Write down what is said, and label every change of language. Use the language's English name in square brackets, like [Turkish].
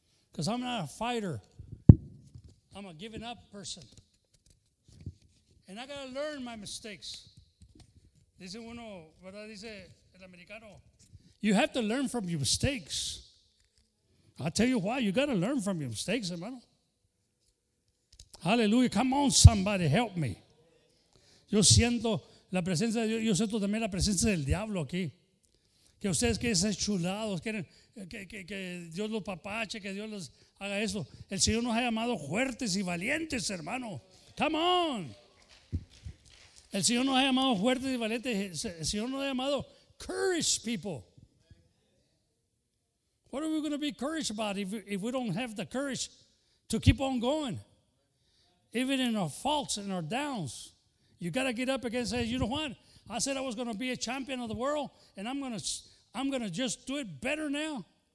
[English] Because I'm not a fighter. I'm a giving up person. And I got to learn my mistakes. [Spanish] Dice uno, ¿verdad? Dice el americano. [English] You have to learn from your mistakes. I'll tell you why. You got to learn from your mistakes, hermano. Hallelujah. Come on, somebody, help me. [Spanish] Yo siento la presencia de Dios, yo siento también la presencia del diablo aquí. Que ustedes quieren ser chulados, quieren que Dios los papache, que Dios les haga eso. El Señor nos ha llamado fuertes y valientes, hermano. [English] Come on. [Spanish] El Señor nos ha llamado fuertes y valientes. El Señor nos ha llamado [English] courage people. What are we going to be courage about if we don't have the courage to keep on going? Even in our faults and our downs. You got to get up again and say, you know what? I said I was going to be a champion of the world, and I'm going to just do it better now.